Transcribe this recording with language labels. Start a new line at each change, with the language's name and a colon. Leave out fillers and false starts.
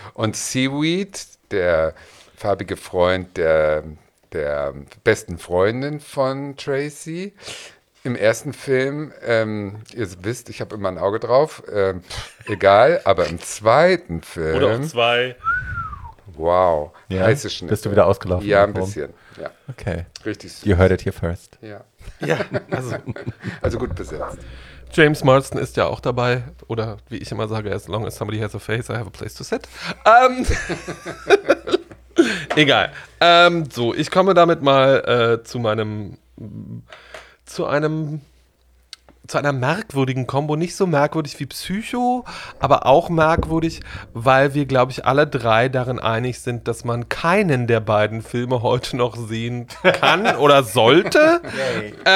German: Und Seaweed, der farbige Freund der besten Freundin von Tracy, im ersten Film, ihr wisst, ich habe immer ein Auge drauf, egal, aber im zweiten Film. Oder auch zwei. Wow, ja, heiße Schnitte. Bist du wieder ausgelaufen? Ja, ein bisschen. Ja. Okay. Richtig.
English: You heard it here first.
German: Ja. Ja. Also gut besetzt. James Marsden ist ja auch dabei. Oder wie ich immer sage,
English: as long as somebody has a face, I have a place to sit.
German: egal. So, ich komme damit mal zu einem zu einer merkwürdigen Kombo, nicht so merkwürdig wie Psycho, aber auch merkwürdig, weil wir, glaube ich, alle drei darin einig sind, dass man keinen der beiden Filme heute noch sehen kann oder sollte. Hey.